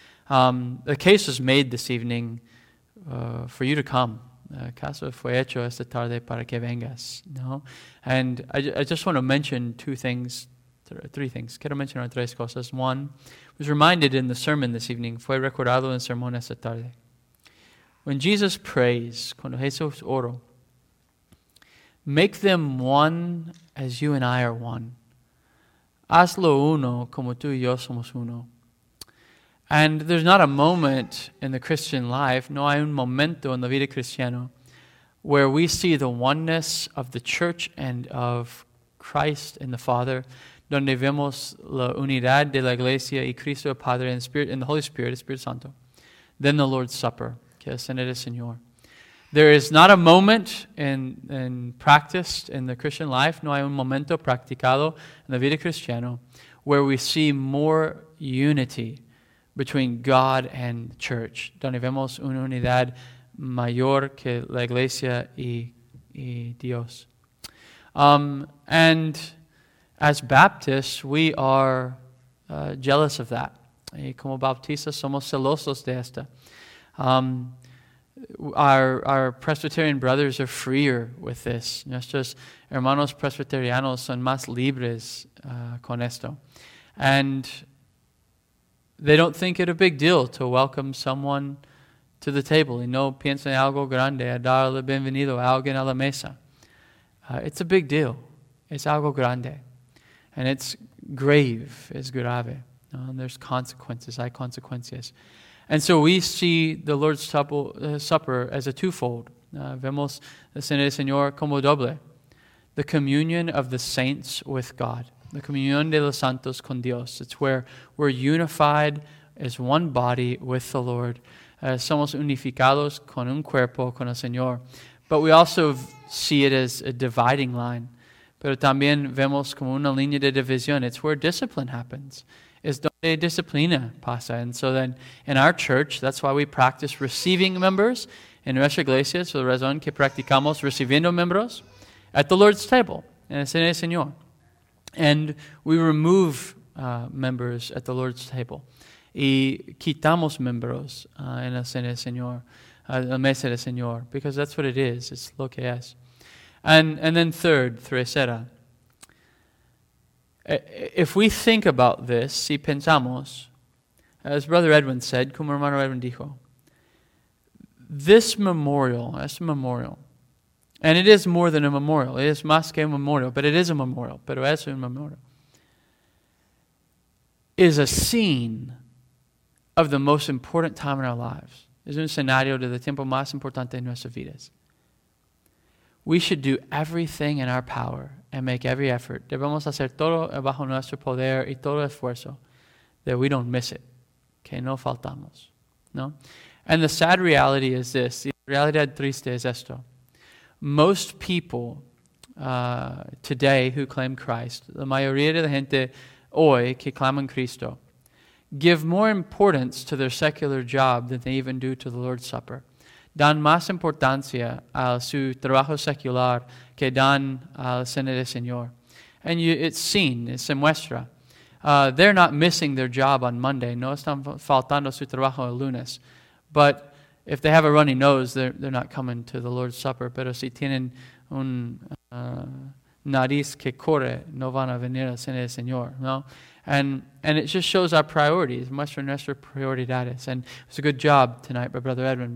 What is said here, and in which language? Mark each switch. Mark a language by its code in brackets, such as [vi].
[en] The case was made this evening for you to come. [es] Caso fue hecho esta tarde para que vengas. [en] No, and I just want to mention three things. [es] Quiero mencionar tres cosas. [en] One, was reminded in the sermon this evening. [es] Fue recordado en el sermón esta tarde. [en] When Jesus prays, [es] cuando Jesús oró, [en] make them one as you and I are one. [es] Hazlo uno como tú y yo somos uno. [en] And there's not a moment in the Christian life, [es] no hay un momento en la vida cristiana, [en] where we see the oneness of the church and of Christ and the Father, [es] donde vemos la unidad de la iglesia y Cristo el Padre en [en] Spirit, in the Holy Spirit, [es] Espíritu Santo. [en] Then the Lord's Supper, [es] que es en el Señor. [en] There is not a moment in practiced in the Christian life, [es] no hay un momento practicado en la vida cristiana, [en] where we see more unity between God and the church. [es] Donde vemos una unidad mayor que la iglesia y Dios. [en] And as Baptists, we are jealous of that. [es] Y como bautistas somos celosos de esta. [en] Our Presbyterian brothers are freer with this. [es] Nuestros hermanos presbiterianos son más libres con esto. [en] And they don't think it a big deal to welcome someone to the table. [es] Y no piensan algo grande a darle bienvenido a alguien a la mesa. [en] It's a big deal. It's [es] algo grande. [en] And it's grave. [es] Es grave. [en] And there's consequences. [es] Hay consecuencias. [en] And so we see the Lord's Supper as a twofold. [es] Vemos la Cena del Señor como doble. [en] The communion of the saints with God. [es] La comunión de los santos con Dios. [en] It's where we're unified as one body with the Lord. [es] Somos unificados con un cuerpo con el Señor. [en] But we also see it as a dividing line. [es] Pero también vemos como una línea de división. [en] It's where discipline happens. [es] Es donde disciplina pasa. [en] And so then, in our church, that's why we practice receiving members. [es] En nuestra iglesia, es la razón que practicamos recibiendo miembros [en] at the Lord's table, [es] en el Cena del Señor. [en] And we remove members at the Lord's table. [es] Y quitamos miembros en el Cena del Señor, la Mesa del Señor, [en] because that's what it is. It's [es] lo que es. [en] And then third, [es] tercera. [en] If we think about this, [es] si pensamos, [en] as Brother Edwin said, [es] como hermano Edwin dijo, [en] this memorial, [es] es un memorial, [en] and it is more than a memorial, it is [es] más que un memorial, [en] but it is a memorial, [es] pero es un memorial, [en] is a scene of the most important time in our lives. [es] Es un escenario de el tiempo más importante en nuestras vidas. [en] We should do everything in our power and make every effort. [es] Debemos hacer todo bajo nuestro poder y todo esfuerzo [en] that we don't miss it. [es] Que no faltamos. No? [en] And the sad reality is this. [es] La realidad triste es esto. [en] Most people today who claim Christ, [es] la mayoría de la gente hoy que claman Cristo, [en] give more importance to their secular job than they even do to the Lord's Supper. [es] Dan más importancia a su trabajo secular que dan al Cena del Señor. [en] And it's seen, [es] se muestra. [en] They're not missing their job on Monday. [es] No están faltando su trabajo el lunes. [en] But if they have a runny nose, they're not coming to the Lord's Supper. [es] Pero si tienen un nariz que corre, no van a venir al Cena del Señor. No? [en] And it just shows our priorities, [es] muestra nuestra prioridades. [en] And it's a good job tonight by Brother Edwin.